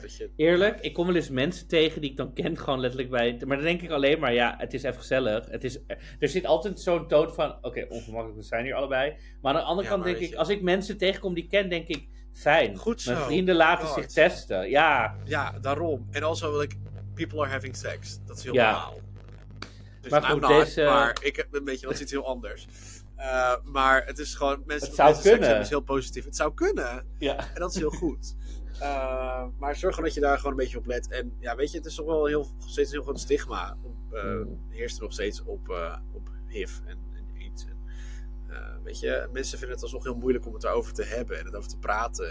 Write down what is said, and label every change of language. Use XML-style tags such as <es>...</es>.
<nl>Luister, eerlijk, ik kom wel eens mensen tegen die ik dan ken, gewoon letterlijk bij. Maar dan denk ik alleen maar, het is even gezellig. Er zit altijd zo'n toon van, oké, ongemakkelijk, we zijn hier allebei. Maar aan de andere kant denk ik, als ik mensen tegenkom die ik ken, denk ik, fijn. Goed zo. Mijn vrienden laten zich testen. Ja. Ja, daarom.</nl> <en>En also</en> <nl>wil ik,</nl> <en>people are having sex.</en> <nl>Dat is heel normaal. Dus maar goed, maar ik heb een beetje, dat zit heel anders. Maar het is gewoon, mensen kunnen. Seks hebben is heel positief. Het zou kunnen. Ja. En dat is heel goed. maar zorg gewoon dat je daar gewoon een beetje op let. En ja, weet je, het is toch wel steeds een heel groot stigma. Heerst er nog steeds op HIV en AIDS. Weet je, mensen vinden het alsnog heel moeilijk om het erover te hebben en het over te praten.</nl>